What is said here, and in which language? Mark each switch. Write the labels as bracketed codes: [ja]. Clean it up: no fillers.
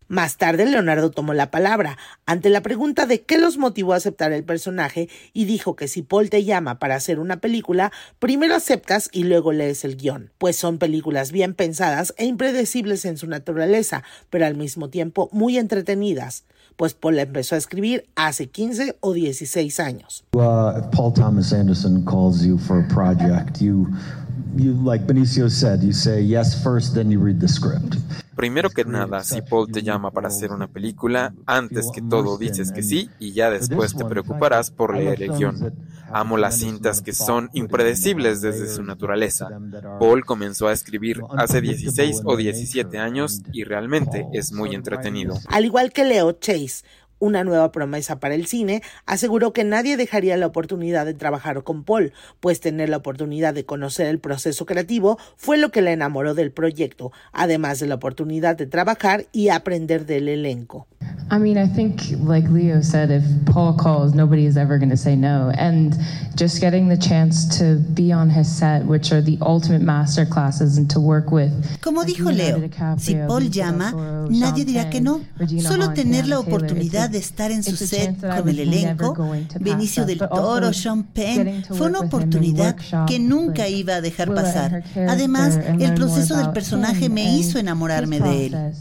[es] Más tarde, Leonardo tomó la palabra ante la pregunta de qué los motivó a aceptar el personaje y dijo que si Paul te llama para hacer una película, primero aceptas y luego lees el guión, pues son películas bien pensadas e impredecibles en su naturaleza, pero al mismo tiempo muy entretenidas. Pues Paul empezó a escribir hace 15 o 16 años. [en] Paul Thomas Anderson calls you for a project. You like Benicio said, you say yes first, then you read the script. [es] Primero que nada, si Paul te llama para hacer una película, antes que todo dices que sí y ya después te preocuparás por leer el guión. Amo las cintas que son impredecibles desde su naturaleza. Paul comenzó a escribir hace 16 o 17 años y realmente es muy entretenido. Al igual que Leo, Chase, una nueva promesa para el cine, aseguró que nadie dejaría la oportunidad de trabajar con Paul, pues tener la oportunidad de conocer el proceso creativo fue lo que la enamoró del proyecto, además de la oportunidad de trabajar y aprender del elenco. [en] I mean, I think, like Leo said, if Paul calls, nobody is ever going to say no. And just getting the chance to be on his set, which are the ultimate masterclasses, and to work with. [es] Como dijo Leo, si Paul llama, nadie dirá que no. Solo tener la oportunidad de estar en su set con el elenco, Benicio del Toro, Sean Penn, fue una oportunidad que nunca iba a dejar pasar. Además, el proceso del personaje me hizo enamorarme de él.